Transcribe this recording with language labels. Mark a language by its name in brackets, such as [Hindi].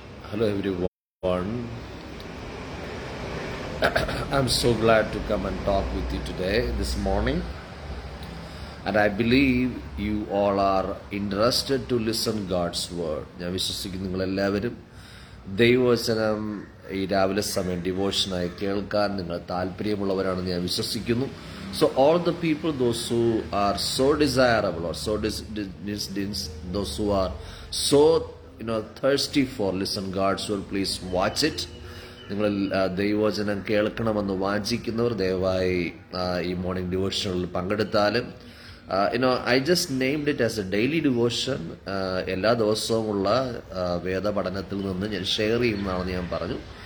[English] Hello everyone, I'm so glad to come and talk with you today, this morning, and I believe you all are interested to listen to God's word. [Malayalam] ഞാൻ വിശ്വസിക്കുന്നു നിങ്ങൾ എല്ലാവരും ദൈവവചനം ഈ രാവിലെ സമയം ഡിവോഷനായി കേൾക്കാൻ നിങ്ങൾ താല്പര്യമുള്ളവരാണെന്ന് ഞാൻ വിശ്വസിക്കുന്നു. [English] So all the people, those who are so desirable or so those who are so thirsty for listen God's word, please watch it. [Malayalam] നിങ്ങൾ ദൈവവചനം കേൾക്കണമെന്ന് വാഞ്ചിക്കുന്നവർ ദയവായി ഈ morning ഡിവോഷനിൽ പങ്കെടുത്താലും [English] I just named it as a daily devotion. [Malayalam] എല്ലാ ദിവസവുമുള്ള വേദപഠനത്തിൽ നിന്ന് ഞാൻ share ചെയ്യുന്നതാണെന്ന് ഞാൻ പറഞ്ഞു.